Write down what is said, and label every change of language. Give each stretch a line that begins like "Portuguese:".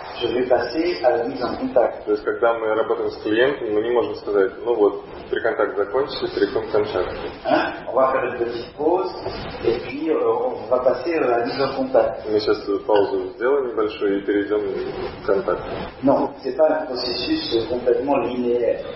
French: Je vais passer à la mise en contact.
Russian: То есть, когда мы работаем с клиентом, мы не можем сказать, ну вот, приконтакт закончился, перейдем к контакту.
French: On va faire une petite pause, et puis on va passer à la mise en contact.
Russian: Мы сейчас паузу сделаем небольшую и перейдем к контакту.
French: Non, c'est pas un processus complètement linéaire.